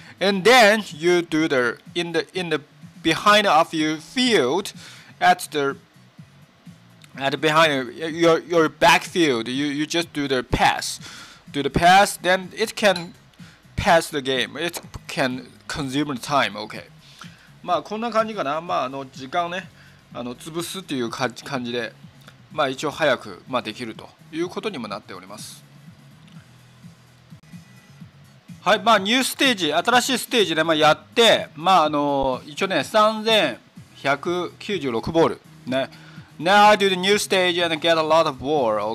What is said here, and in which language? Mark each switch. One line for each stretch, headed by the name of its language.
English: And then you do the in the behind of your field at the behind your backfield. You just do the pass. Do the pass, then it can pass the game. It can consume the time, okay.
Japanese: まあこんな感じかな。まああの時間ね、あの潰すっていう感じで、まあ一応早く、まあ、できるということにもなっております。はい、まあニューステージ、新しいステージで、まあ、やって、まああの一応ね、3196ボールね。
English: Now I do the new stage and get a lot of ball.